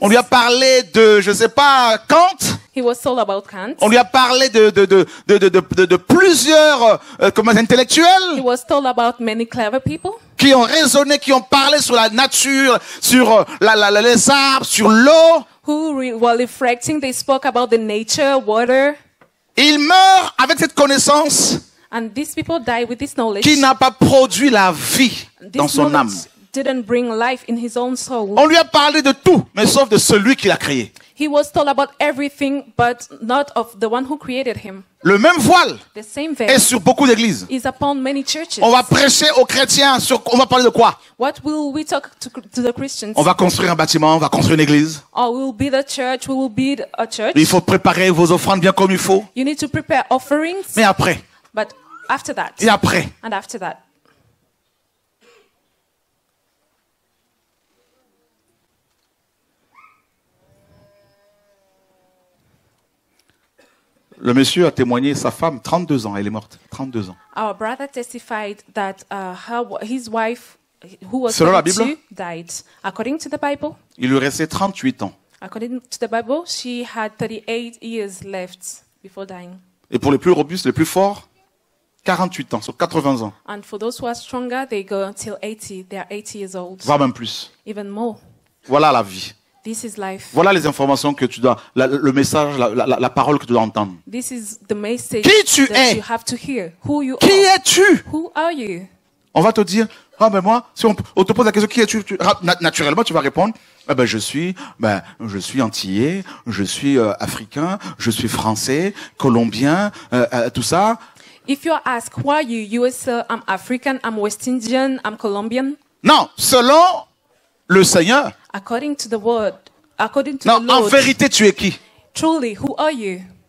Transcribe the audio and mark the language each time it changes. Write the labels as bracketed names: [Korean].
[French] On lui a parlé de je sais pas Kant. [English] He was told about Kant. [French] On lui a parlé de plusieurs comme intellectuels. [English] He was told about many clever people. [French] Qui ont raisonné, qui ont parlé sur la nature, sur les arbres, sur l'eau. [English] Who while reflecting they spoke about the nature, water. [French] Il meurt avec cette connaissance. [English] And these people die with this knowledge. [French] Qui n'a pas produit la vie [English] this [French] dans son âme. [English] Didn't bring life in his own soul. [French] On lui a parlé de tout, mais sauf de celui qui l'a créé. [English] He was told about everything, but not of the one who created him. [French] Le même voile [English] the same veil [French] est sur beaucoup d'églises. [English] Is upon many churches. [French] On va prêcher aux chrétiens sur, on va parler de quoi? [English] What will we talk to the Christians? [French] On va construire un bâtiment, on va construire une église. [English] Or we'll build a church, we will build a church. [French] Il faut préparer vos offrandes bien comme il faut. [English] You need to prepare offerings. [French] Mais après. [English] But after that. [French] Et après. [English] And after that. [French] Le monsieur a témoigné sa femme, 32 ans, elle est morte, 32 ans. [English] Our brother testified that his wife, who was [French] selon la Bible, [English] died. According to the Bible, [French] il lui restait 38 ans. [English] According to the Bible, she had 38 years left before dying. [French] Et pour les plus robustes, les plus forts, 48 ans, sur 80 ans. [English] And for those who are stronger, they go until 80, they are 80 years old. [French] Voire même plus. [English] Even more. [French] Voilà la vie. [English] This is life. [French] Voilà les informations que tu dois, le message, la parole que tu dois entendre. [English] This is the message [French] qui tu [English] that [French] es? [English] You have to hear. Who you [French] qui [English] are? [French] Es-tu? [English] Who are you? [French] On va te dire, ah ben moi, si on te pose la question, qui es-tu? Naturellement, tu vas répondre, eh ben je suis antillais, je suis africain, je suis français, colombien, tout ça. [English] If you ask who are you, you will say I'm African, I'm West Indian, I'm Colombian. [French] Non, selon le Seigneur. [English] According to the word, according to [French] non, [English] the Lord. [French] En vérité, tu es qui? [English] Truly, who are you?